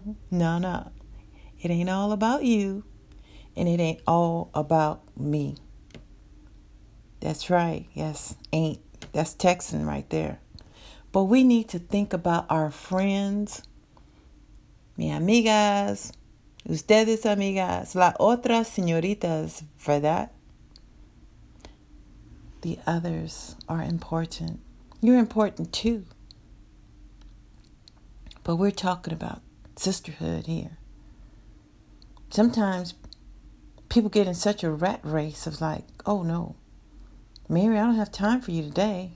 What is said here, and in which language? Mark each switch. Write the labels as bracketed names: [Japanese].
[English] No. It ain't all about you. And it ain't all about me. That's right. Yes, ain't. That's Texan right there. But we need to think about our friends. [Spanish] Mi amigas. Ustedes amigas. La otra señoritas, ¿verdad? [English] The others are important. You're important too. But we're talking about sisterhood here. Sometimes people get in such a rat race of like, oh no, Mary, I don't have time for you today.